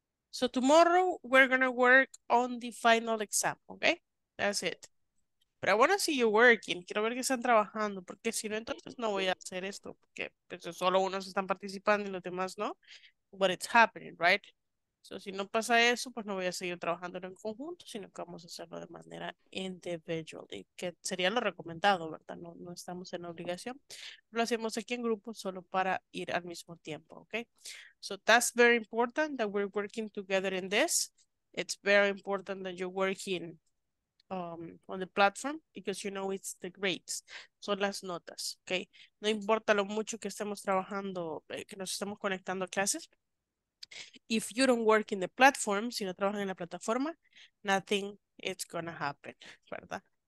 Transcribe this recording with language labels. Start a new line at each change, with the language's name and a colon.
English: So tomorrow we're gonna work on the final exam. Okay, that's it.
Spanish: Pero bueno, si
English: you're working,
Spanish: quiero ver que están trabajando, porque si no, entonces no voy a hacer esto, porque pues, solo unos están participando y los demás no.
English: But it's happening, right? So
Spanish: si no pasa eso, pues no voy a seguir trabajando en conjunto, sino que vamos a hacerlo de manera individual, que sería lo recomendado, ¿verdad? No, no estamos en obligación. Lo hacemos aquí en grupo solo para ir al mismo tiempo, okay?
English: So that's very important that we're working together in this. It's very important that you're working on the platform, because you know it's the grades,
Spanish: son las notas,
English: okay?
Spanish: No importa lo mucho que estemos trabajando, que nos estemos conectando a clases,
English: if you don't work in the platform,
Spanish: si no trabajan en la plataforma,
English: nothing is gonna happen,
Spanish: ¿verdad?